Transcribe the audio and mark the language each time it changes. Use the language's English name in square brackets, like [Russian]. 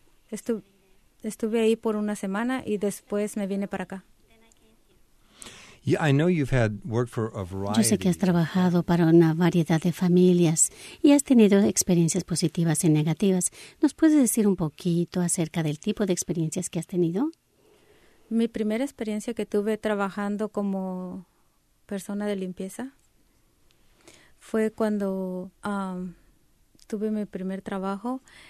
[Spanish] Estuve ahí por una semana y después me vine para acá. [English] Yeah, I know you've had work for a variety. [Spanish] Yo sé que has trabajado para una variedad de familias y has tenido experiencias positivas y negativas. ¿Nos puedes decir un poquito acerca del tipo de experiencias que has tenido? Mi primera experiencia que tuve trabajando como persona de limpieza fue cuando tuve mi primer trabajo.